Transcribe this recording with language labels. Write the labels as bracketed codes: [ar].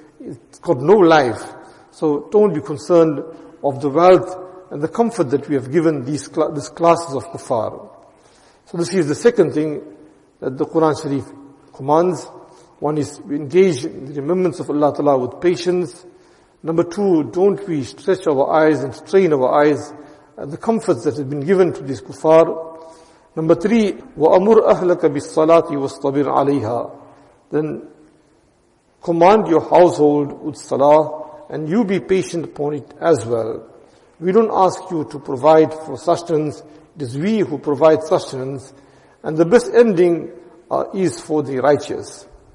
[en] It's got no life. So don't be concerned of the wealth and the comfort that we have given these classes of kuffar. So this is the second thing that the Quran Sharif commands. One is we engage in the remembrance of Allah Ta'ala with patience. Number two, don't we stretch our eyes and strain our eyes at the comforts that have been given to these kuffar. Number three, [ar] وَأَمُرْ أَهْلَكَ بِالصَّلَاةِ وَاسْطَبِرْ عَلَيْهَا. [en] Then command your household with salah, and you be patient upon it as well. We don't ask you to provide for sustenance. It is we who provide sustenance. And the best ending is for the righteous.